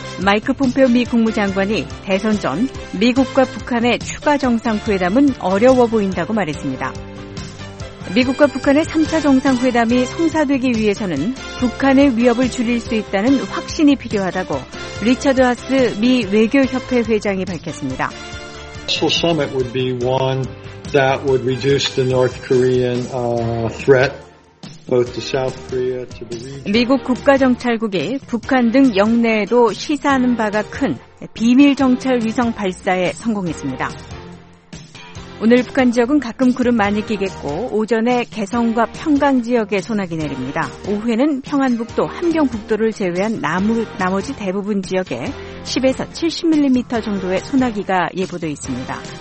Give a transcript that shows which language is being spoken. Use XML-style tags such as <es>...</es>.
<ko>마이크 폼페오 미 국무장관이 대선 전 미국과 북한의 추가 정상회담은 어려워 보인다고 말했습니다. 미국과 북한의 3차 정상회담이 성사되기 위해서는 북한의 위협을 줄일 수 있다는 확신이 필요하다고 리처드 하스 미 외교협회 회장이 밝혔습니다.</ko> <en>Summit would be one that would reduce the North Korean threat both to South Korea to the region.</en> <ko>미국 국가 정찰국이 북한 등 영내에도 시사하는 바가 큰 비밀 정찰 위성 발사에 성공했습니다. 오늘 북한 지역은 가끔 구름 많이 끼겠고 오전에 개성과 평강 지역에 소나기 내립니다. 오후에는 평안북도, 함경북도를 제외한 나머지 대부분 지역에 10에서 70mm 정도의 소나기가 예보돼 있습니다.</ko>